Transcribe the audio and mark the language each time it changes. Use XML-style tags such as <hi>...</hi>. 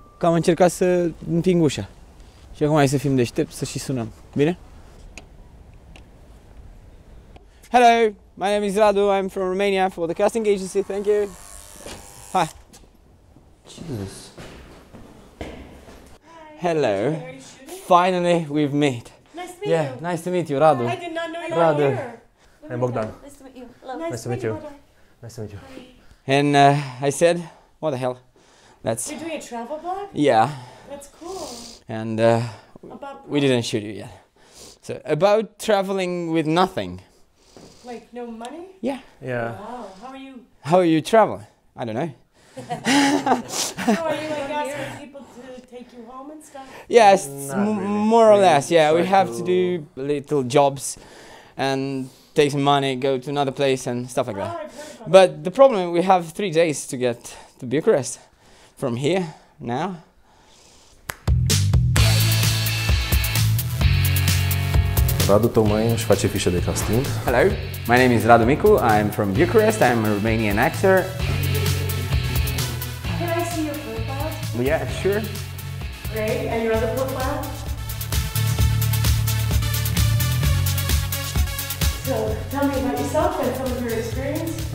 <ro>Că am încercat să împing ușa. Și acum hai să fim deștepți, să și sunăm. Bine?</ro> <en>Hello, my name is Radu, I'm from Romania for the casting agency, thank you. Hi. Jesus. Hi. Hello. Finally we've met. Nice to meet you. Yeah, nice to meet you, Radu. I did not know you were here. I'm Bogdan. Nice to meet you. Nice to meet you. Nice to meet you. And I said, what the hell? That's you're doing a travel blog? Yeah. That's cool. And we didn't shoot you yet. So about traveling with nothing. Like no money? Yeah. Yeah. Wow. How are you? How are you traveling? I don't know. How are you like asking people to take you home and stuff? Yes, more or less. Yeah, we have to do little jobs and take some money, go to another place and stuff like that. But the problem, we have 3 days to get to Bucharest from here, now.</en> <ro>Radu Tomai își face fișe de casting.</ro> <en>Hello, my name is Radu Micu, I'm from Bucharest, I'm a Romanian actor. Can I see your profile? Yeah, sure. Great, and your other profile? So, tell me about yourself and some of your experience.</en>